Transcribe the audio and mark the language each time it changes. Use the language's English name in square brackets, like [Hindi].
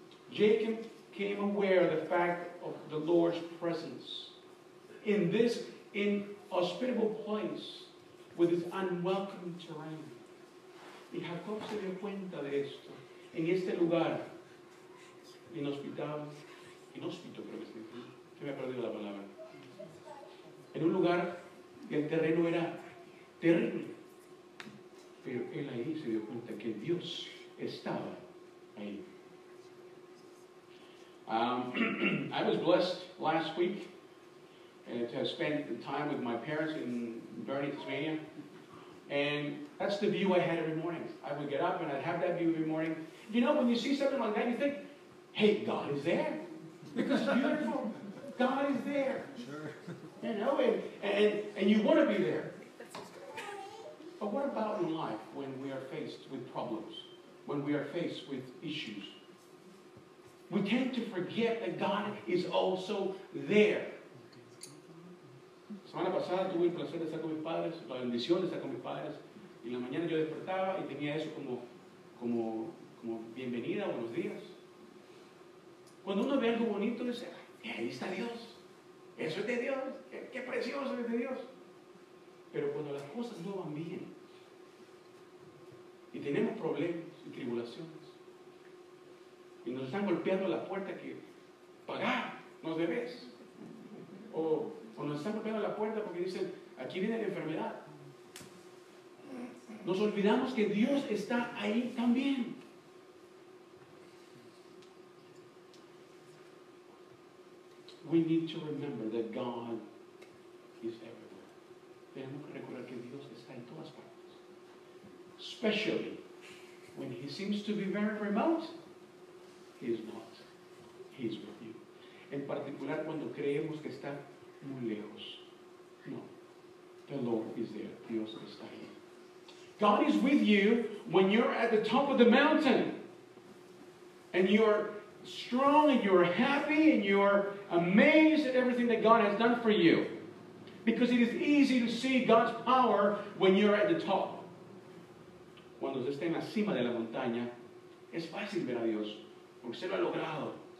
[English] Jacob came aware of the fact of the Lord's presence in this inhospitable place with its unwelcome terrain. [Spanish] Y Jacob se dio cuenta de esto. En este lugar inhóspito, creo que se me ha perdido la palabra. En un lugar que el terreno era terrible. Pero él ahí se dio cuenta que Dios estaba ahí. [English] I was blessed last week to have spent the time with my parents in Burnie, Tasmania. And that's the view I had every morning. I would get up and I'd have that view every morning. You know, when you see something like that, you think, hey, God is there. Because it's beautiful. God is there. Sure. You know, and you want to be there. But what about in life when we are faced with problems? When we are faced with issues? We tend to forget that God is also there. [Spanish] Semana pasada tuve el placer de estar con mis padres, la bendición de estar con mis padres. Y en la mañana yo despertaba y tenía eso como bienvenida, buenos días. Cuando uno ve algo bonito, dice, ahí está Dios. Eso es de Dios. Qué precioso es de Dios. Pero cuando las cosas no van bien, y tenemos problemas y tribulaciones, y nos están golpeando la puerta que pagar, nos debes. O nos están golpeando la puerta porque dicen, aquí viene la enfermedad. Nos olvidamos que Dios está ahí también. [English] We need to remember that God is everywhere. [Spanish] Tenemos que recordar que Dios está en todas partes. [English] Especially when he seems to be very remote. He is not. He is with you. [Spanish] En particular cuando creemos que está muy lejos. [English] No. The Lord is there. [Spanish] Dios está ahí. [English] God is with you when you're at the top of the mountain. And you're strong and you're happy and you're amazed at everything that God has done for you. Because it is easy to see God's power when you're at the top. [Spanish] Cuando se está en la cima de la montaña, es fácil ver a Dios. Porque se lo ha logrado.